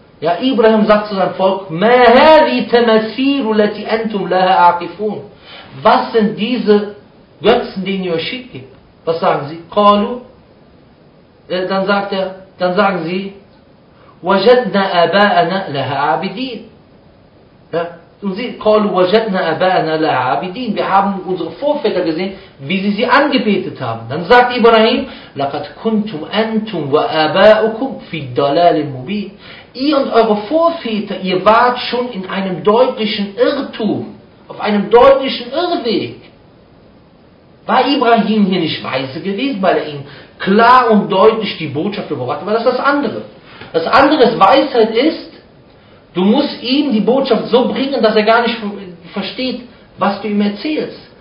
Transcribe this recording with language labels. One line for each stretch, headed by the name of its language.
German: Ja, Ibrahim sagt zu seinem Volk,
Arabic: Ma hadhi tamathilu lati antum laha aqifun.
German: Was sind diese Götzen, denen ihr euch schickt? Was sagen sie?
Arabic: Qalu.
German: Dann sagt er, dann sagen sie,
Arabic: وَجَدْنَا أَبَاءَنَا لَهَا عَابِدِينَ.
German: Ja? Und sie
Arabic: قَالُوا وَجَدْنَا أَبَاءَنَا لَهَا عَابِدِينَ.
German: Wir haben unsere Vorväter gesehen, wie sie sie angebetet haben. Dann sagt Ibrahim,
Arabic: لَقَدْ كُنْتُمْ أَنْتُمْ وَآبَاءُكُمْ فِي الدَّلَالِ الْمُبِينَ.
German: Ihr und eure Vorväter, ihr wart schon in einem deutlichen Irrtum, auf einem deutlichen Irrweg. War Ibrahim hier nicht weise gewesen, weil er ihnen klar und deutlich die Botschaft überbrachte? Aber das ist das andere. Das andere ist Weisheit ist, du musst ihm die Botschaft so bringen, dass er gar nicht versteht, was du ihm erzählst.